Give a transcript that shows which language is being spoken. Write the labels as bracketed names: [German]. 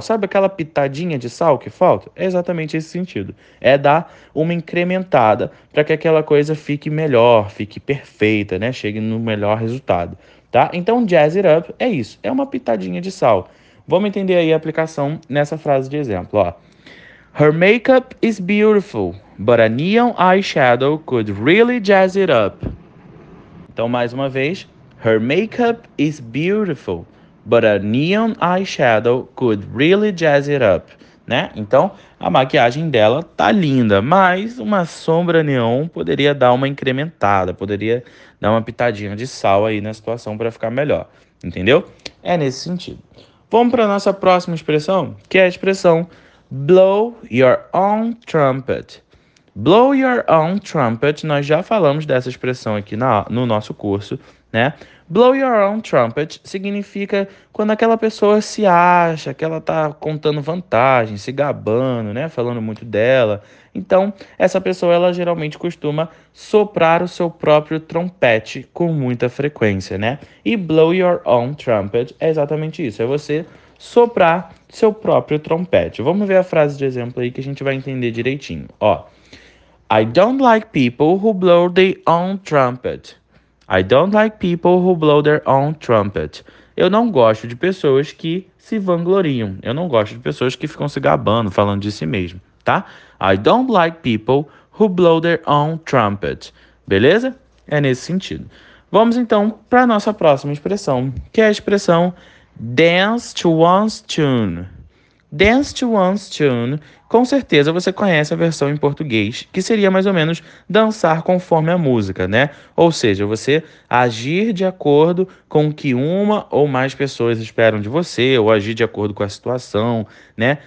[Portuguese] Sabe aquela pitadinha de sal que falta? É exatamente esse sentido. É dar uma incrementada para que aquela coisa fique melhor, fique perfeita, né? Chegue no melhor resultado, tá? Então, jazz it up é isso. É uma pitadinha de sal. Vamos entender aí a aplicação nessa frase de exemplo, ó. [English] Her makeup is beautiful, but a neon eyeshadow could really jazz it up. [Portuguese] Então, mais uma vez. [English] Her makeup is beautiful, but a neon eyeshadow could really jazz it up. [Portuguese] Né? Então, a maquiagem dela tá linda, mas uma sombra neon poderia dar uma incrementada, poderia dar uma pitadinha de sal aí na situação para ficar melhor. Entendeu? É nesse sentido. Vamos para nossa próxima expressão, que é a expressão blow your own trumpet. Blow your own trumpet. Nós já falamos dessa expressão aqui no nosso curso, né? Blow your own trumpet significa quando aquela pessoa se acha que ela tá contando vantagem, se gabando, né? Falando muito dela. Então, essa pessoa, ela geralmente costuma soprar o seu próprio trompete com muita frequência, né? E blow your own trumpet é exatamente isso. É você soprar seu próprio trompete. Vamos ver a frase de exemplo aí que a gente vai entender direitinho. [English] Ó, I don't like people who blow their own trumpet. I don't like people who blow their own trumpet. [Portuguese] Eu não gosto de pessoas que se vangloriam. Eu não gosto de pessoas que ficam se gabando, falando de si mesmo, tá? [English] I don't like people who blow their own trumpet. [Portuguese] Beleza? É nesse sentido. Vamos então para a nossa próxima expressão, que é a expressão dance to one's tune. Dance to one's tune. Com certeza você conhece a versão em português, que seria mais ou menos dançar conforme a música, né? Ou seja, você agir de acordo com o que uma ou mais pessoas esperam de você, ou agir de acordo com a situação, né?